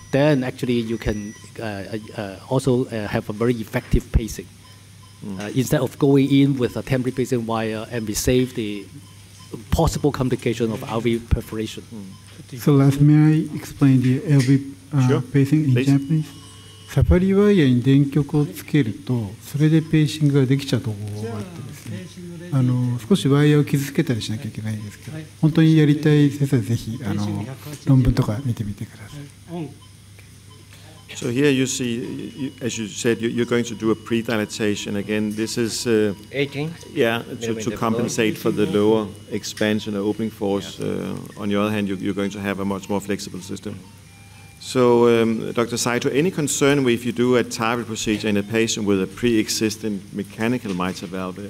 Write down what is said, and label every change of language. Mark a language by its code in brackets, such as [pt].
[en] Then actually, you can also have a very effective pacing. Instead of going in with a temporary pacing wire, and we save the possible complication of RV perforation. So last, may I explain the LV pacing in Japanese? [ja] サファリワイヤーに電極をつけるとそれでペーシングができちゃうところがあってですね、少しワイヤーを傷つけたりしなきゃいけないんですけど、本当にやりたい先生はぜひ論文とか見てみてください。 [en] So here you see, as you said, you're going to do a pre-dilatation again. This is 18. Yeah, to compensate for the lower expansion or opening force. On the other hand, you're going to have a much more flexible system. So, Dr. Saito, any concern if you do a TAVI procedure in a patient with a pre-existing mechanical mitre valve?